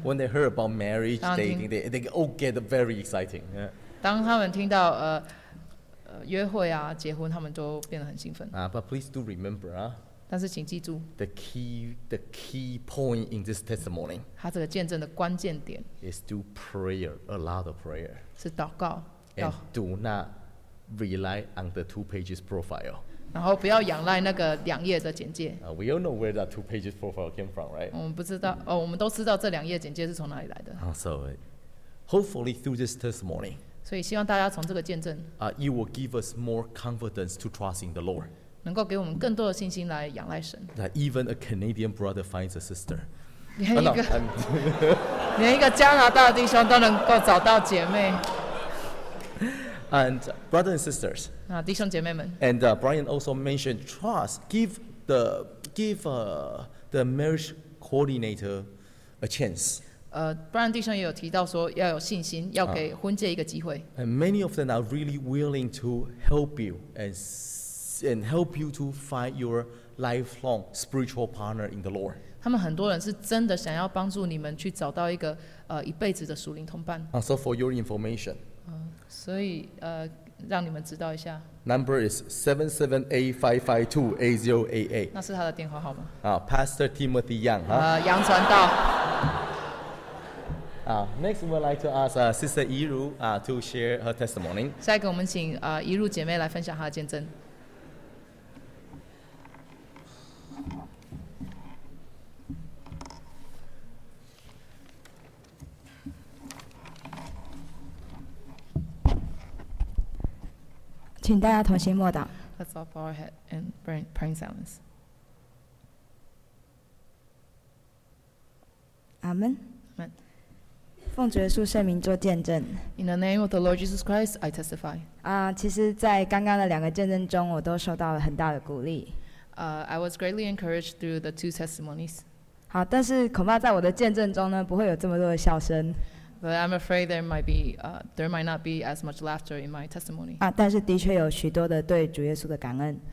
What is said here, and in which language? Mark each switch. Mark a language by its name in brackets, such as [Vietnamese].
[English] When they heard about marriage dating, they all get very exciting. Yeah. [Chinese] 当他们听到约会啊，结婚，他们都变得很兴奋。 [English] But please do remember, [Chinese] 但是请记住 [English] the key point in this testimony. [Chinese] 他这个见证的关键点 [English] is do prayer, a lot of prayer. [Chinese] 是祷告。 [English] And do not rely on the 2-page profile. [Chinese] 然后不要仰赖那个两页的简介。 [English] We all know where that 2-page profile came from, right? [Chinese] 我们不知道，我们都知道这两页简介是从哪里来的。 [English] So, hopefully through this testimony. [Chinese] 所以希望大家从这个见证。 [English] You will give us more confidence to trust in the Lord. [Chinese] 能够给我们更多的信心来仰赖神。 [English] That even a Canadian brother finds a sister. [Chinese] 连一个加拿大弟兄都能够找到姐妹。 [English] And brothers and sisters. [Chinese] 啊，弟兄姐妹们。 [English] And Brian also mentioned trust. Give the marriage coordinator a chance. [Chinese] Brian 弟兄也有提到说要有信心，要给婚介一个机会。 [English] And many of them are really willing to help you and help you to find your lifelong spiritual partner in the Lord. [Chinese] 他们很多人是真的想要帮助你们去找到一个一辈子的属灵同伴。 [English] So for your information. [Chinese] 所以让你们知道一下。 [English] Number is 778-552-8088. [Chinese] 那是他的电话号码。 [English] Pastor Timothy Yang. [Chinese] 杨传道。 [English] Next we'd like to ask Sister Yiru to share her testimony. [Chinese] 下一个我们请怡如姐妹来分享她的见证。请大家同心默祷。 [English] Let's all bow our head and pray in silence. Amen. Amen. [Chinese] 奉主耶稣圣名做见证。 [English] In the name of the Lord Jesus Christ, I testify. [Chinese] 其实，在刚刚的两个见证中，我都受到了很大的鼓励。 [English] I was greatly encouraged through the two testimonies. [Chinese] 好，但是恐怕在我的见证中呢，不会有这么多的笑声。 [English] But I'm afraid there might not be as much laughter in my testimony. [Chinese] 但是的确有许多的对主耶稣的感恩。